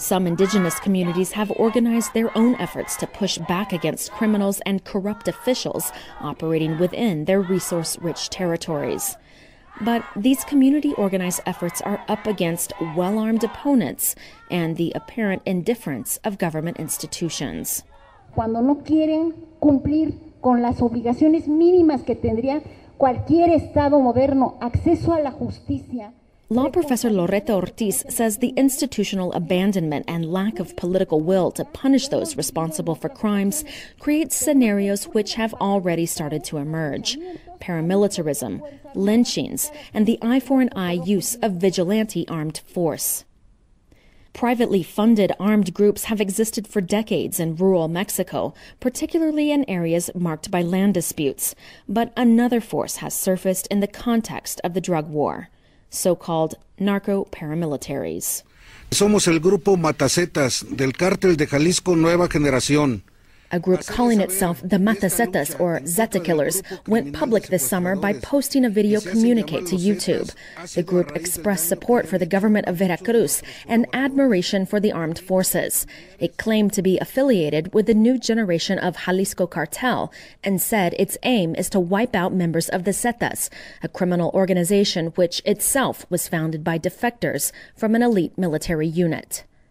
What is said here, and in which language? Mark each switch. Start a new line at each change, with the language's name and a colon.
English: Some indigenous communities have organized their own efforts to push back against criminals and corrupt officials operating within their resource-rich territories. But these community-organized efforts are up against well-armed opponents and the apparent indifference of government institutions.
Spanish: Cuando no quieren cumplir con las obligaciones mínimas que tendría cualquier estado moderno, acceso a la justicia.
English: Law professor Loreto Ortiz says the institutional abandonment and lack of political will to punish those responsible for crimes creates scenarios which have already started to emerge. Paramilitarism, lynchings, and the eye-for-an-eye use of vigilante armed force. Privately funded armed groups have existed for decades in rural Mexico, particularly in areas marked by land disputes. But another force has surfaced in the context of the drug war. So-called narco-paramilitaries.
Spanish: Somos el grupo Matacetas del Cártel de Jalisco Nueva Generación.
English: A group calling itself the Matacetas, or Zeta Killers, went public this summer by posting a video communique to YouTube. The group expressed support for the government of Veracruz and admiration for the armed forces. It claimed to be affiliated with the new generation of Jalisco cartel and said its aim is to wipe out members of the Zetas, a criminal organization which itself was founded by defectors from an elite military unit.